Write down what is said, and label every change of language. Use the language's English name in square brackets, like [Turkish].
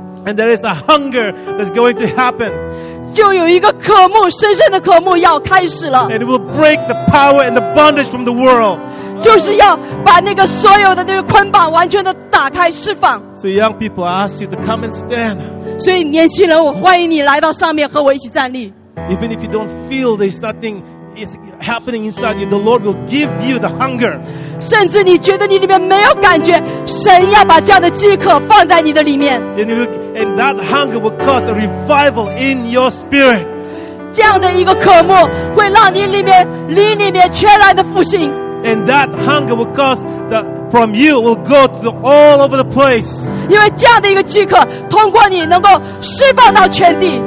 [English] And there is a hunger that's going to happen. [Chinese] 就有一个渴慕，深深的渴慕要开始了。 [English] And it will break the power and the bondage from the world. [Chinese] 就是要把那个所有的那个捆绑完全的打开释放。 [English] So young people, I ask you to come and stand. [Chinese] 所以年轻人，我欢迎你来到上面和我一起站立。 [English] Even if you don't feel there's nothing is happening inside you, the Lord will give you the hunger. [Chinese] 甚至你觉得你里面没有感觉, 神要把这样的饥渴放在你的里面。 [English] And that hunger will cause a revival in your spirit. [Chinese] 这样的一个渴慕会让你里面, 灵里面全然的复兴。 [English] And that hunger will cause that from you will go to the, all over the place. [Chinese] 因为这样的一个饥渴通过你能够释放到全地。